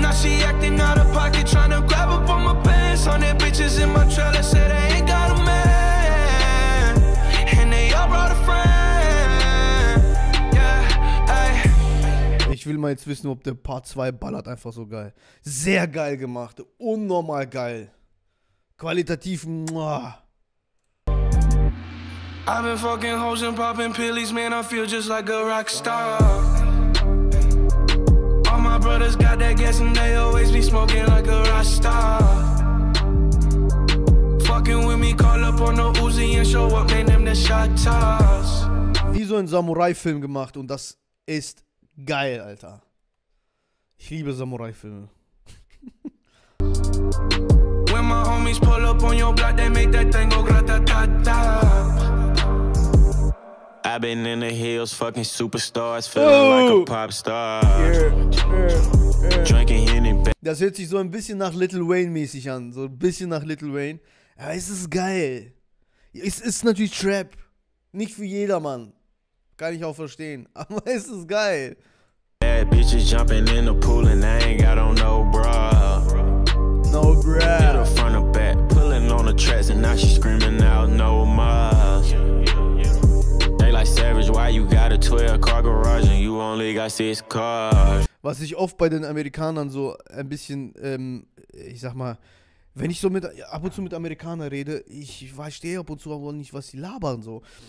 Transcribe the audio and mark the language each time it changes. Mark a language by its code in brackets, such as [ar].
[en] Now she acting out of pocket, trying to grab up on my back. On their bitches in my trailer, said I ain't got a man. And they all brought a friend. [de] Yeah, ey. Ich will mal jetzt wissen, ob der Part 2 ballert einfach so geil. Sehr geil gemacht, unnormal geil. Qualitativ, mwah. [en] I've been fucking hoes and popping pillies, man, I feel just like a rock star. All my brothers got that gas and they always be smoking like a rock star. Fucking with me, call up on the Uzi and show up, man, them the shotas. [de] Wie so ein Samurai-Film gemacht und das ist geil, Alter. Ich liebe Samurai-Filme. [en] When my homies pull up on your block, they make that thing go gratatata. I've been in the hills, fucking superstars, feeling like a pop star. Drinking Henny. [de] Das hört sich so ein bisschen nach Lil Wayne mäßig an, so ein bisschen nach Lil Wayne. Aber es ist geil. Es ist natürlich Trap. Nicht für jedermann. Kann ich auch verstehen. Aber es ist geil. [en] Bad bitches jumping in the pool and I ain't got on no bra. No bra. In the front of back, pulling on the tracks and now she's screaming out no more. Like Savage, why you got a 12-car garage and you only got 6 cars? [de] Was ich oft bei den Amerikanern so ein bisschen, ich sag mal, wenn ich so mit ab und zu mit Amerikanern rede, ich verstehe ab und zu aber nicht, was sie labern so.